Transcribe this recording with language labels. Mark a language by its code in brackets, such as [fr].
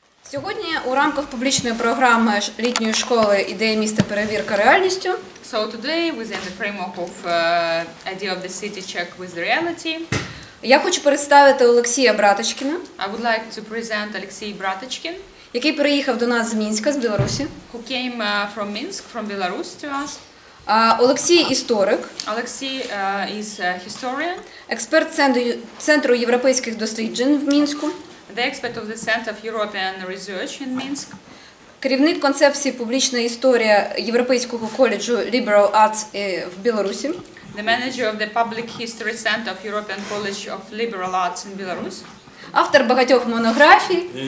[uk] Сьогодні у рамках публічної програми літньої школи «Ідея міста. Перевірка реальністю». [en] So today, within the framework of idea of the city check with reality, [uk] я хочу представити Олексія Браточкіна. [en] I would like to present Олексій Браточкін, [uk] який приїхав до нас з Мінська, з Білорусі. [en] Who came from Minsk, from Belarus to us. [uk] Олексій історик. [en] Олексій is a historian. [uk] Експерт Центру європейських досліджень в Мінську. [en] The expert of the Center of European Research in Minsk. [uk] Керівник концепції «Публічна історія» Європейського коледжу Liberal Arts в Білорусі. [en] The manager of the Public History Center of European College of Liberal Arts in Belarus. [uk] Автор багатьох монографій.